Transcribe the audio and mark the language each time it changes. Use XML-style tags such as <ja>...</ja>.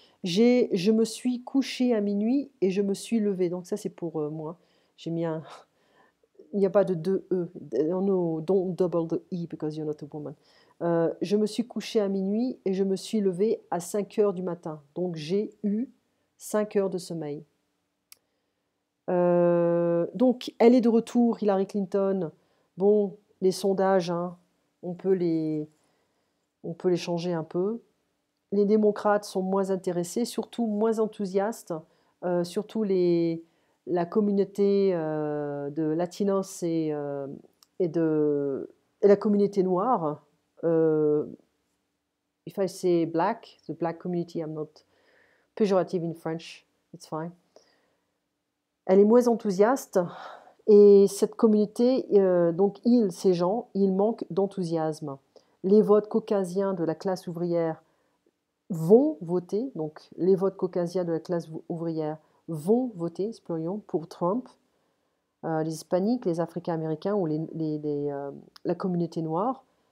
<fr>Je me suis couchée à minuit et je me suis levée. Donc, ça, c'est pour moi. J'ai mis un. Il n'y a pas de deux E.</fr> <en>Don't double the E because you're not a woman.</en> <fr>Je me suis couchée à minuit et je me suis levée à 5 heures du matin. Donc, j'ai eu 5 heures de sommeil. Donc, elle est de retour, Hillary Clinton. Bon, les sondages, hein, on peut les changer un peu. Les démocrates sont moins intéressés, surtout moins enthousiastes, surtout la communauté de Latinos et la communauté noire.</fr> <en>If I say black, the black community, I'm not pejorative in French, it's fine.</en> <fr>Elle est moins enthousiaste et cette communauté, ces gens, ils manquent d'enthousiasme. Les votes caucasiens de la classe ouvrière vont voter, donc les votes caucasiens de la classe ouvrière vont voter, explorons, pour Trump, les Hispaniques, les Africains-Américains ou la communauté noire.</fr>